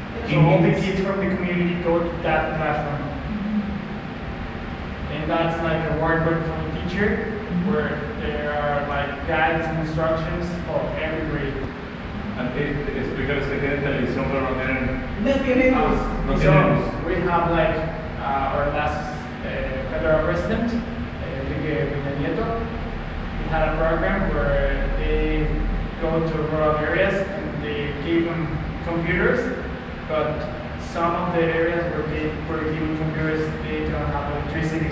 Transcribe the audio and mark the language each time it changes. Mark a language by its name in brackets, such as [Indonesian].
[English] So all the kids from the community go to that classroom. And that's like a workbook from the teacher where there are like guides and instructions for every grade. [Spanish] Es porque los que tienen televisión pero no tienen. No tenemos. No tenemos. [English] We have like our last federal resident, Enrique Peña Nieto. He had a program where they go to rural areas and they gave them computers, but some of the areas where they were given computers, they don't have electricity.